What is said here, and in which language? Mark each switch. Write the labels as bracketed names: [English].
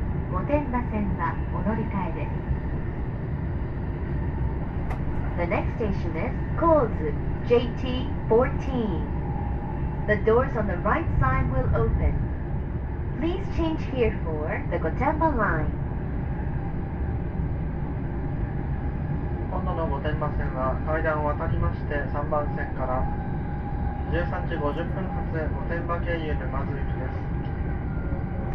[Japanese] 御殿場線はお乗り換えです。 [English] The next station is Kozu, JT14. The doors on the right side will open. Please change here for the Gotemba line. [Japanese] 今度の御殿場線は階段を渡りまして3番線から13時50分発御殿場経由沼津行きです。